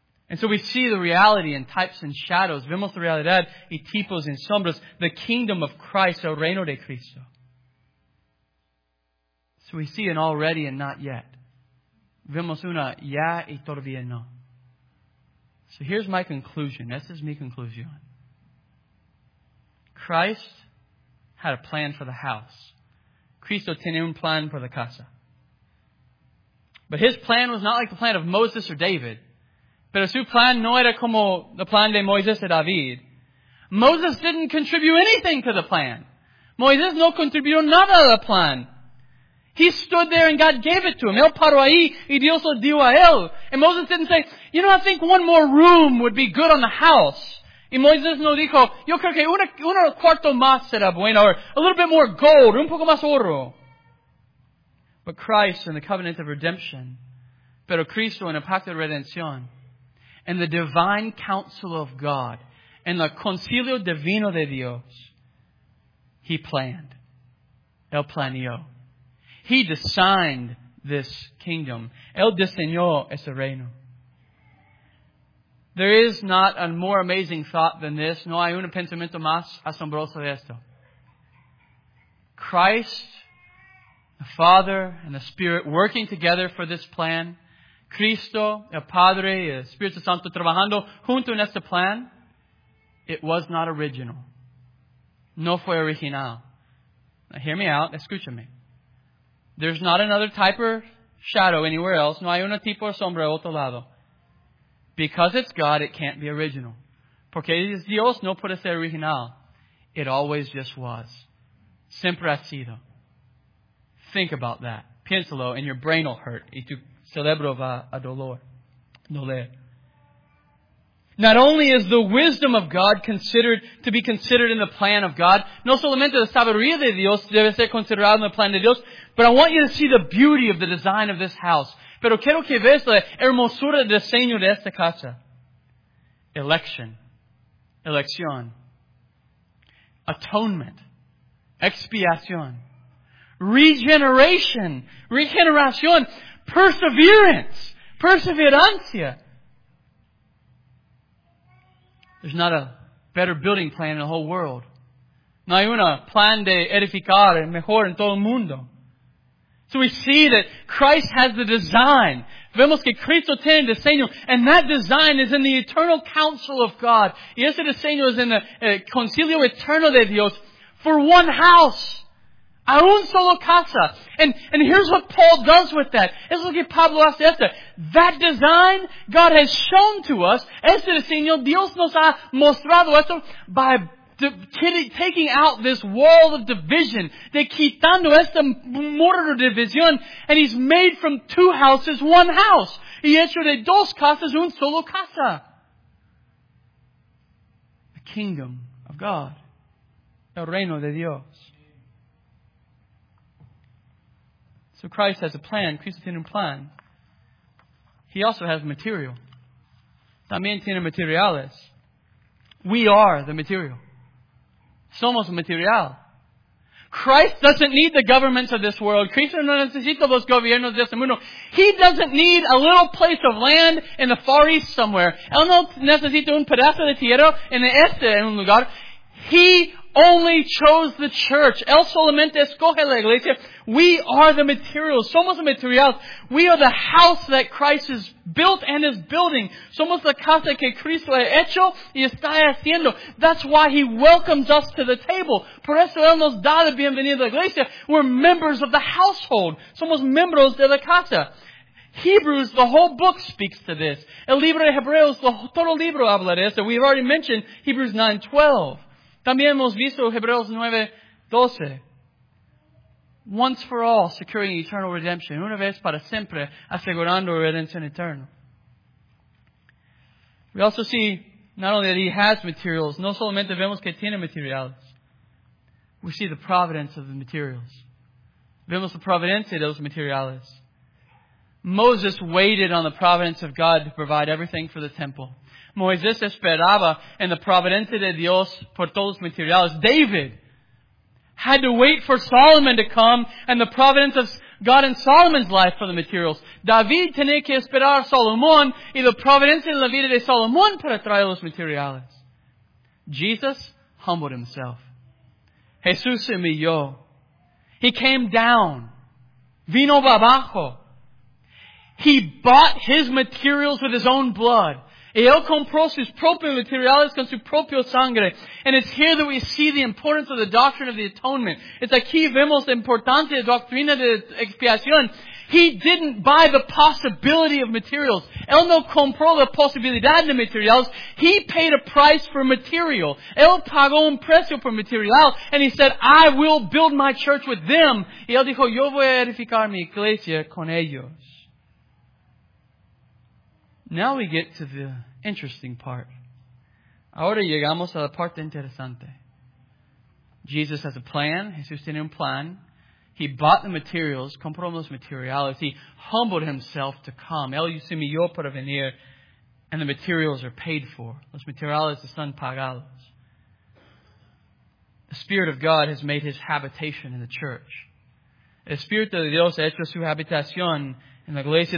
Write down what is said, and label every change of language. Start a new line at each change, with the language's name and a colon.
English: And so we see the reality in types and shadows.
Spanish: Vemos la realidad y tipos en sombras.
English: The kingdom of Christ,
Spanish: el reino de Cristo.
English: So we see an already and not yet.
Spanish: Vemos una ya y todavía no.
English: So here's my conclusion. This is
Spanish: mi conclusión.
English: Christ had a plan for the house.
Spanish: Cristo tenía un plan para la casa.
English: But His plan was not like the plan of Moses or David.
Spanish: Pero su plan no era como el plan de Moisés y David.
English: Moses didn't contribute anything to the plan.
Spanish: Moisés no contribuyó nada a la plan.
English: He stood there and God gave it to him.
Spanish: Él paró ahí y Dios lo dio a él.
English: And Moses didn't say, you know, I think one more room would be good on the house.
Spanish: Y Moisés no dijo, yo creo que una cuarto más será bueno.
English: Or a little bit more gold,
Spanish: un poco más oro.
English: But Christ and the covenant of redemption.
Spanish: Pero Cristo en el pacto de redención.
English: And the divine counsel of God. And the
Spanish: concilio divino de Dios.
English: He planned.
Spanish: Él planeó.
English: He designed this kingdom.
Spanish: Él diseñó ese reino.
English: There is not a more amazing thought than this.
Spanish: No hay un pensamiento más asombroso de esto.
English: Christ, the Father, and the Spirit working together for this plan.
Spanish: Cristo, el Padre, y el Espíritu Santo trabajando junto en este plan.
English: It was not original.
Spanish: No fue original.
English: Now hear me out.
Spanish: Escúchame.
English: There's not another type or shadow anywhere else.
Spanish: No hay un tipo de sombra a otro lado.
English: Because it's God, it can't be original.
Spanish: Porque es Dios, no puede ser original.
English: It always just was.
Spanish: Siempre ha sido.
English: Think about that.
Spanish: Piénsalo,
English: and your brain will hurt.
Spanish: Y tu cerebro va a dolor. Doler.
English: Not only is the wisdom of God considered in the plan of God,
Spanish: no solamente la sabiduría de Dios
English: debe ser considerada en el plan de Dios, but I want you to see the beauty of the design of this house.
Spanish: Pero quiero que veas la hermosura del diseño de esta casa.
English: Election. Elección. Atonement. Expiación. Regeneration. Regeneración. Perseverance.
Spanish: Perseverancia.
English: There's not a better building plan in the whole world.
Spanish: No hay un plan de edificar mejor en todo el mundo.
English: So we see that Christ has the design.
Spanish: Vemos que Cristo tiene el diseño.
English: And that design is in the eternal counsel of God.
Spanish: Y ese diseño es en el concilio eterno de Dios.
English: For one house.
Spanish: A un solo casa.
English: And here's what Paul does with that.
Spanish: Es lo que Pablo hace esto.
English: That design God has shown to us.
Spanish: Este diseño Dios nos ha mostrado esto
English: by taking out this wall of division.
Spanish: De quitando esta muro de división.
English: And he's made from two houses one house.
Spanish: Y hecho de dos casas un solo casa.
English: The kingdom of God.
Spanish: El reino de Dios.
English: So Christ has a plan.
Spanish: Cristo tiene un plan.
English: He also has material.
Spanish: También tiene materiales.
English: We are the material.
Spanish: Somos material.
English: Christ doesn't need the governments of this world.
Spanish: Cristo no necesita los gobiernos de este mundo.
English: He doesn't need a little place of land in the far east somewhere.
Spanish: Él no necesita un pedazo de tierra en el este en un lugar.
English: He only chose the church.
Spanish: Él solamente escoge la iglesia.
English: We are the materials.
Spanish: Somos materials.
English: We are the house that Christ has built and is building.
Spanish: Somos la casa que Cristo ha hecho y está haciendo.
English: That's why he welcomes us to the table.
Spanish: Por eso él nos da la bienvenida a la iglesia.
English: We're members of the household.
Spanish: Somos miembros de la casa.
English: Hebrews, the whole book speaks to this.
Spanish: El libro de Hebreos, todo libro habla de eso.
English: We've already mentioned Hebrews 9:12.
Spanish: También hemos visto Hebreos
English: 9:12. Once for all, securing eternal redemption.
Spanish: Una vez para siempre, asegurando redención eterna.
English: We also see, not only that he has materials,
Spanish: no solamente vemos que tiene materiales.
English: We see the providence of the materials.
Spanish: Vemos la providencia de los materiales.
English: Moses waited on the providence of God to provide everything for the temple.
Spanish: Moisés esperaba en la providencia de Dios por todos los materiales.
English: David had to wait for Solomon to come and the providence of God in Solomon's life for the materials.
Spanish: David tenía que esperar a Salomón y la providencia en la vida de Salomón para traer los materiales.
English: Jesus humbled himself.
Spanish: Jesús se humilló.
English: He came down.
Spanish: Vino abajo.
English: He bought his materials with his own blood.
Spanish: Y él compró sus propios materiales con su propio sangre.
English: And it's here that we see the importance of the doctrine of the atonement.
Spanish: It's aquí vemos la importante de doctrina de expiación.
English: He didn't buy the possibility of materials.
Spanish: Él no compró la posibilidad de materiales.
English: He paid a price for material.
Spanish: Él pagó un precio por material.
English: And he said, I will build my church with them.
Spanish: Y él dijo, yo voy a edificar mi iglesia con ellos.
English: Now we get to the interesting part.
Spanish: Ahora llegamos a la parte interesante.
English: Jesus has a plan.
Spanish: Jesús tiene un plan.
English: He bought the materials.
Spanish: Compró los materiales.
English: He humbled himself to come.
Spanish: Él se humilló para venir.
English: And the materials are paid for.
Spanish: Los materiales están pagados.
English: The Spirit of God has made His habitation in the church.
Spanish: El Espíritu de Dios ha hecho su habitación en la iglesia.